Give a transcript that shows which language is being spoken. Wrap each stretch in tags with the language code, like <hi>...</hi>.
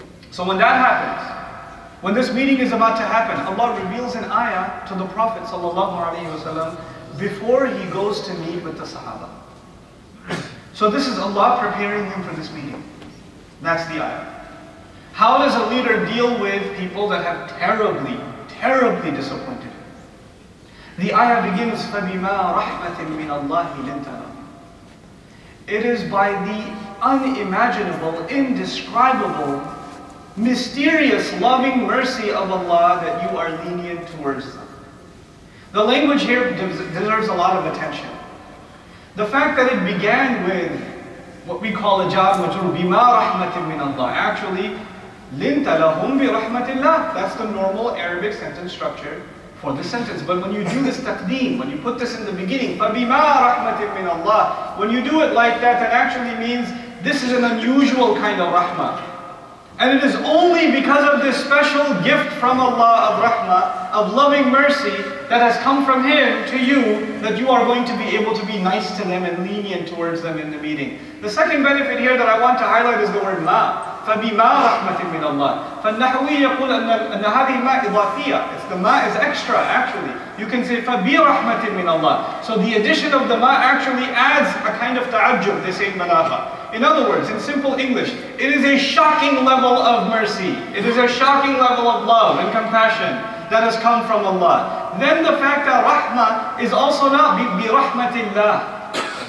<en>So when that happens, when this meeting is about to happen, Allah reveals an ayah to the Prophet ﷺ before he goes to meet with the Sahaba. So this is Allah preparing him for this meeting. That's the ayah. How does a leader deal with people that have terribly, terribly disappointed him? The ayah begins,</en> <ar>فَبِمَا رَحْمَةٍ مِنَ اللَّهِ لِنْتَ لَهُ.</ar> <en>It is by the unimaginable, indescribable, mysterious, loving mercy of Allah that you are lenient towards them. The language here deserves a lot of attention. The fact that it began with what we call a jar majur,</en> <ar>بِمَا رَحْمَةٍ مِنَ اللَّهِ,</ar> <en>actually,</en> <ar>لِنْتَ لَهُمْ بِرَحْمَةِ اللَّهِ.</ar> <en>That's the normal Arabic sentence structure for this sentence. But when you do this taqdeem, when you put this in the beginning,</en> <ar>فَبِمَا رَحْمَةٍ مِنَ اللَّهِ,</ar> <en>when you do it like that, that actually means this is an unusual kind of rahmah. And it is only because of this special gift from Allah of rahmah, of loving mercy that has come from Him to you, that you are going to be able to be nice to them and lenient towards them in the meeting. The second benefit here that I want to highlight is the word ma.</en> <ar>فَبِمَا رَحْمَةٍ مِنَ اللَّهِ فَالنَّحْوِي يَقُولَ أَنَّ هَذِهِ مَا إِضَافِيَةً.</ar> <en>It's the ma is extra, actually. You can say</en> <ar>فَبِي رَحْمَةٍ مِنَ اللَّهِ.</ar> <en>So the addition of the ma actually adds a kind of ta'ajjub, they say in Manaha. In other words, in simple English, it is a shocking level of mercy. It is a shocking level of love and compassion that has come from Allah. Then the fact that rahmah is also not</en> <ar>بِي رَحْمَةٍ اللَّهِ.</ar>